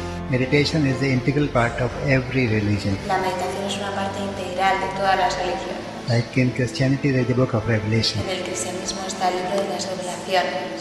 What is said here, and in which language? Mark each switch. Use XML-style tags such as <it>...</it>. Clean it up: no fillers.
<en>Meditation is the integral part of every religion.</en> <es>La meditación es una parte integral de todas las religiones.</es> <en>Like in Christianity, there's the book of Revelation.</en> <es>En el cristianismo está el libro de las revelaciones.</es>